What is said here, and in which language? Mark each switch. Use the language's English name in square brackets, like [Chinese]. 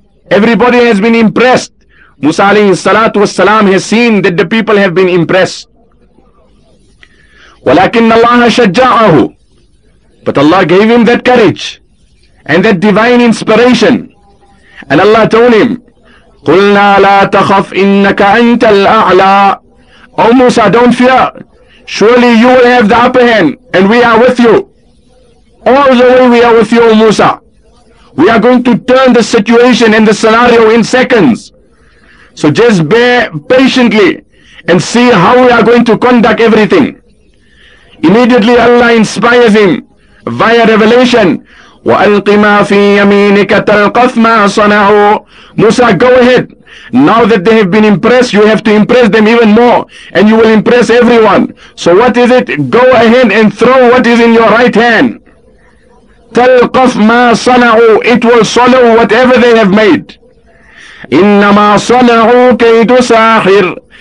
[English] Everybody has been impressed. Musa alayhi salatu wasalam has seen that the people have been impressed. [Arabic] وَلَكِنَّ اللَّهَ شَجَّعَهُ. [English] But Allah gave him that courage and that divine inspiration. And Allah told him, [Arabic] قُلْنَا لَا تَخَفْ إِنَّكَ أَنْتَ الْأَعْلَىٰ. [English] O Musa, don't fear. Surely you will have the upper hand and we are with you. All the way we are with you, O Musa. We are going to turn the situation and the scenario in seconds. So just bear patiently and see how we are going to conduct everything. Immediately Allah inspires him via revelation. [Arabic] وَأَلْقِ مَا فِي يَمِينِكَ تَلْقَفْ مَا صَنَعُوا. [English] Musa, go ahead. Now that they have been impressed, you have to impress them even more, and you will impress everyone. So what is it? Go ahead and throw what is in your right hand. [Arabic] تَلْقَفْ مَا صَنَعُوا. [English] It will swallow whatever they have made. [Arabic] إِنَّمَا صَنَعُوا كَيْدُ سَاحِرٍ.